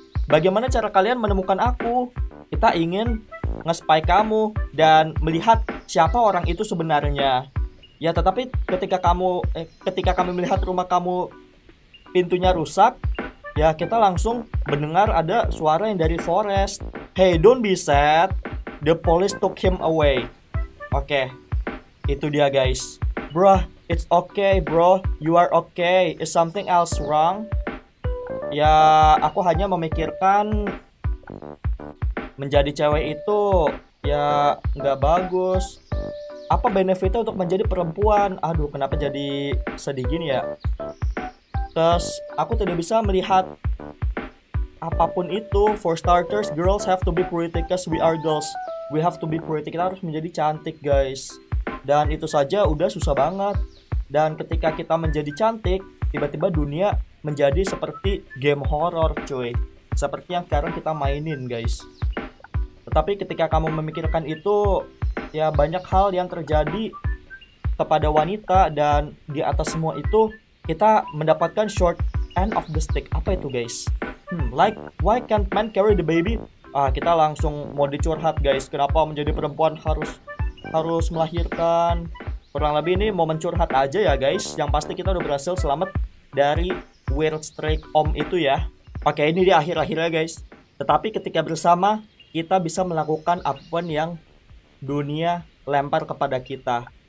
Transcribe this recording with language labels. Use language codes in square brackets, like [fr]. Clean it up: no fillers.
[id] Bagaimana cara kalian menemukan aku? Kita ingin nge-spy kamu dan melihat siapa orang itu sebenarnya. Ya, tetapi ketika kami melihat rumah kamu pintunya rusak, ya kita langsung mendengar ada suara yang dari forest. [en] Hey, don't be sad. The police took him away. Oke. Okay. [id] Itu dia, guys. [en] Bro, it's okay, bro. You are okay. Is something else wrong? [id] Ya, aku hanya memikirkan menjadi cewek itu ya nggak bagus. Apa benefitnya untuk menjadi perempuan? Aduh, kenapa jadi sedih gini ya? Terus, aku tidak bisa melihat apapun itu. [en] For starters, girls have to be pretty because we are girls. We have to be pretty. [id] Kita harus menjadi cantik, guys. Dan itu saja udah susah banget. Dan ketika kita menjadi cantik, tiba-tiba dunia menjadi seperti game horror, cuy. Seperti yang sekarang kita mainin, guys. Tetapi ketika kamu memikirkan itu, ya banyak hal yang terjadi kepada wanita. Dan di atas semua itu, kita mendapatkan [en] short end of the stick. [id] Apa itu, guys? [en] Like, why can't men carry the baby? [id] Ah, kita langsung mau dicurhat, guys. Kenapa menjadi perempuan harus melahirkan? Kurang lebih ini mau mencurhat aja ya, guys. Yang pasti kita udah berhasil selamat dari weird strike om itu ya. Oke, ini di akhir-akhirnya, guys. Tetapi ketika bersama, kita bisa melakukan apa yang dunia lempar kepada kita.